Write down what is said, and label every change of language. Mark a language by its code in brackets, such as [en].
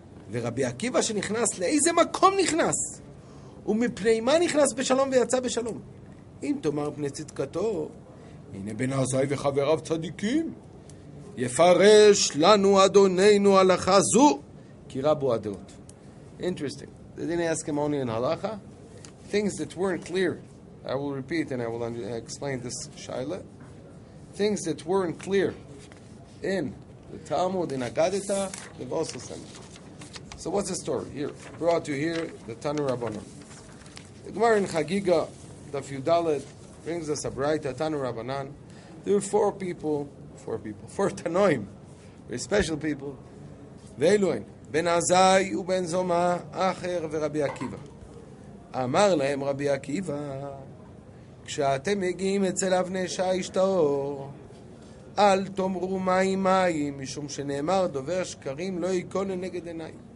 [he] ורבי עקיבא שנכנס, לאיזה מקום נכנס? ומפני מה נכנס בשלום ויצא בשלום? אם תאמר פני צדקתו, הנה בן עזאי וחבריו צדיקים, יפרש לנו אדוננו הלכה זו, כי רבו הדעות. [en] Interesting. They didn't ask him only in halacha. Things that weren't clear. I will repeat and I will explain this shaila. Things that weren't clear in the Talmud, in Agadita, they've also sent it. So what's the story? Here, brought to you here, the Tanu Rabbanan. The Gemara in Chagiga, the Fyudalet, brings us a braita, Tanu Rabbanan. There are four Tanoim, very special people. [he] Veiluin. בן עזאי ובן זומא אחר ורבי עקיבא. אמר להם רבי עקיבא, כשאתם מגיעים אצל אבני שיש טהור, אל תאמרו מים מים, משום שנאמר דובר שקרים לא ייקון לנגד עיניי.